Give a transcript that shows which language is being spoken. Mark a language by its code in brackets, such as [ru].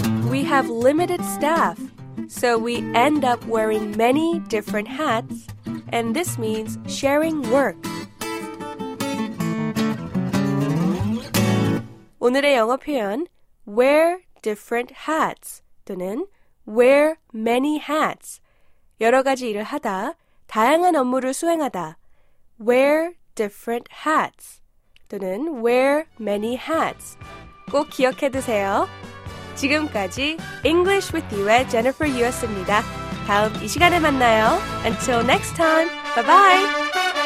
[en] We have limited staff, so we end up wearing many different hats, and this means sharing work. [ko] 오늘의 영어 표현, [en] wear different hats, [ko] 또는 [en] wear many hats. [ko] 여러 가지 일을 하다, 다양한 업무를 수행하다. [en] Wear different hats, 또는 wear many hats. [ko] 꼭 기억해 두세요. 지금까지 English with You의 Jennifer Yu였습니다. 다음 이 시간에 만나요. [en] Until next time, bye-bye!